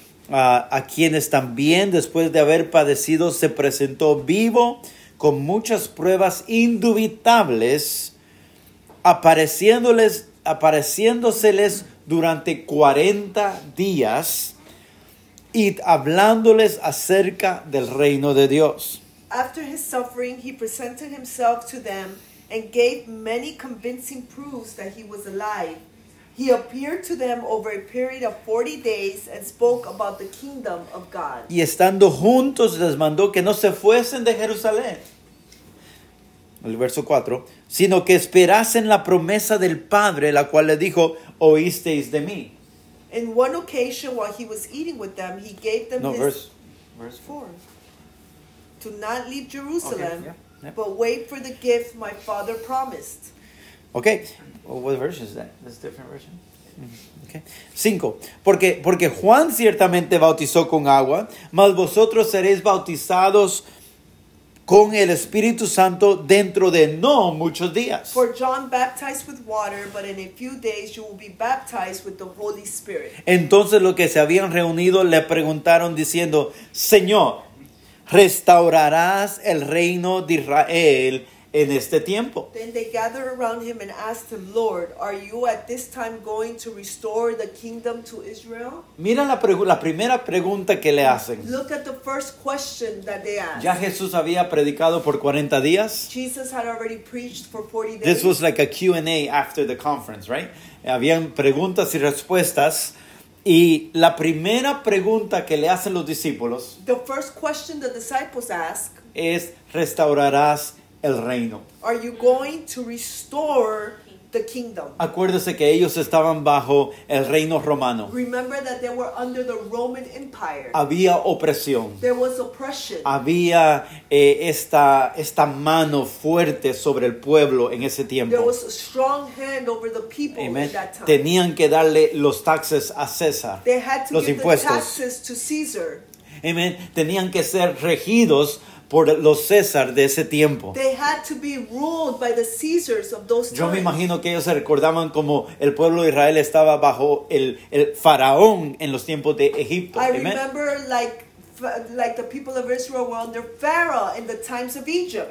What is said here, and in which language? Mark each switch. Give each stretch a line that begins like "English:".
Spanish: A quienes también después de haber padecido se presentó vivo con muchas pruebas indubitables apareciéndoseles durante 40 días y hablándoles acerca del reino de Dios.
English: After his suffering, he presented himself to them and gave many convincing proofs that he was alive. He appeared to them over a period of 40 days and spoke about the kingdom of God.
Spanish: Y estando juntos, les mandó que no se fuesen de Jerusalén. El verso 4, sino que esperasen la promesa del Padre, la cual le dijo, oísteis de mí.
English: In one occasion, while he was eating with them, he gave them verse 4. To not leave Jerusalem, but wait for the gift my Father promised. Okay, well, what version is that? That's a different version. Okay.
Spanish: 5, porque Juan ciertamente bautizó con agua, mas vosotros seréis bautizados con el Espíritu Santo dentro de no muchos días.
English: For John baptized with water, but in a few days you will be baptized with the Holy Spirit.
Spanish: Entonces los que se habían reunido le preguntaron diciendo, Señor, ¿restaurarás el reino de Israel en este tiempo.
English: Then they gathered around him and asked him, Lord, are you at this time going to restore the kingdom to Israel?
Spanish: Mira la primera pregunta que le hacen.
English: Look at the first question that they ask.
Spanish: Ya Jesús había predicado por 40 días.
English: Jesus had already preached for 40 days. This was like a Q&A after the conference, right?
Spanish: Habían preguntas y respuestas. Y la primera pregunta que le hacen los discípulos,
English: the first question the disciples ask,
Spanish: es, ¿restaurarás el reino?
English: Are you going to restore the kingdom?
Spanish: Acuérdese que ellos estaban bajo el reino romano.
English: Remember that they were under the Roman Empire.
Spanish: Había opresión.
English: There was oppression.
Spanish: Había esta mano fuerte sobre el pueblo en ese tiempo.
English: There was a strong hand over the people. Amen. In that time.
Spanish: Tenían que darle los taxes a César.
English: They had to
Spanish: los
English: give
Spanish: impuestos.
English: The taxes to Caesar. Amen.
Spanish: Tenían que ser regidos por los César de ese tiempo.
English: They had to be ruled by the Caesars of those times.
Spanish: Yo me imagino que ellos se recordaban como el pueblo de Israel estaba bajo el faraón en los tiempos de Egipto.
English: I remember like the people of Israel were under Pharaoh in the times of Egypt.